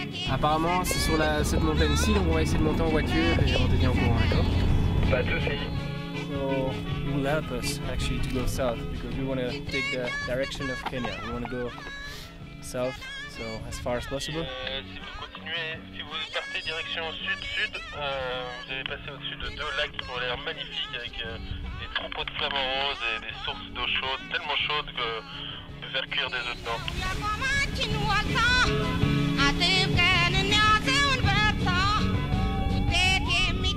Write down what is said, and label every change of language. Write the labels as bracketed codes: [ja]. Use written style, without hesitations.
[fr] Apparemment, c'est sur cette montagne-ci, donc on va essayer de monter en voiture et on te tient au courant, d'accord? Pas de soucis. [en] So, you'll help us actually to go south because we want to take the direction of Kenya. We want to go south, so as far as possible. [fr] Si vous continuez, si vous partez direction sud-sud, vous allez passer au-dessus de deux lacs qui ont l'air magnifiques avec des troupeaux de flamants roses et des sources d'eau chaude, tellement chaude que on peut faire cuire des œufs dedans. [en] I think I'm in your town, but I'm